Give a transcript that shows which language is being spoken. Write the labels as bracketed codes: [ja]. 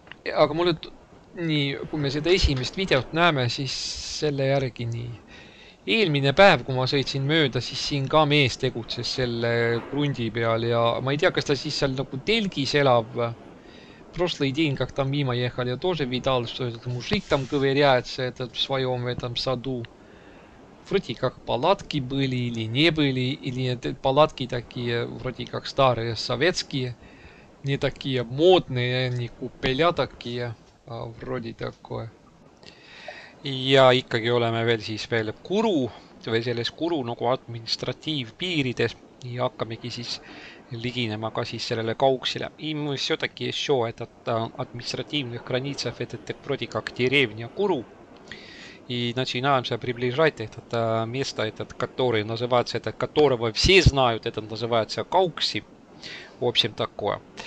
[et] Aga mulle, nii, kui me seda esimest videot näeme, siis selle järgi nii... Eelmine päev, kui ma sõitsin mööda, siis siin ka mees tegutses selle krundi peal ja ma ei tea, kas ta siis seal nagu telgis elab. [ru] Просто идея, как там мимо ехали, я тоже видал, что этот мужик там ковыряется этот в своем этом саду. Вроде как палатки были или не были, или палатки такие, вроде как старые советские, не такие модные, не купеля такие, а вроде такое. [et] Ja ikkagi oleme veel siis veel kuru, või selles kuru nagu administratiiv piirides, ja hakkamegi siis liginema ka siis sellele kauksile. [ru] И мы все-таки еще этот административный граница, это вроде как деревня Куру, И начинаемся приближать это место, этот, который называется, это, которого все знают, это называется Каукси. В общем, такое.